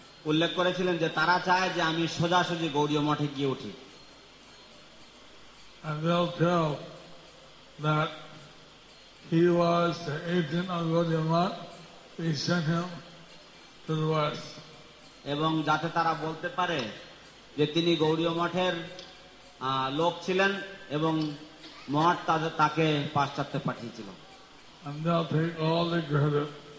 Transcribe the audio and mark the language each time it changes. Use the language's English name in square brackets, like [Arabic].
[Bangla] উল্লেখ করেছিলেন যে তারা চায় যে আমি সোজাসুজি গৌড়ীয় মঠে গিয়ে উঠি। [English] And they'll tell that he was the agent of Gaudiya Math. He sent him to the West. [Bangla] এবং যাতে তারা বলতে পারে যে তিনি গৌড়ীয় মঠের লোক ছিলেন এবং মহাত্মা তাকে পাশ্চাত্যে পাঠিয়েছিল। [English] And they'll take all the credit.